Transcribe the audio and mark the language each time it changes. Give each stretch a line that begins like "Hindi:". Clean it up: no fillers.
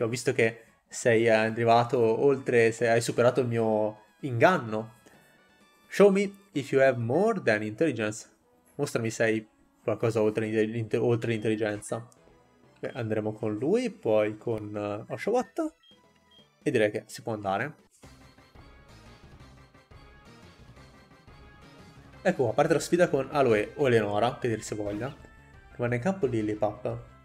Italian: Ho visto che sei arrivato oltre, se hai superato il mio inganno.
English: Show me if you have more than intelligence.
Italian: Mostrami se hai qualcosa oltre l'intelligenza. Beh, andremo con lui, poi con Oshawott. E direi che si può andare. Ecco qua, parte la sfida con Aloe o Eleonora, che dir si voglia. Rimane in campo Lillipup.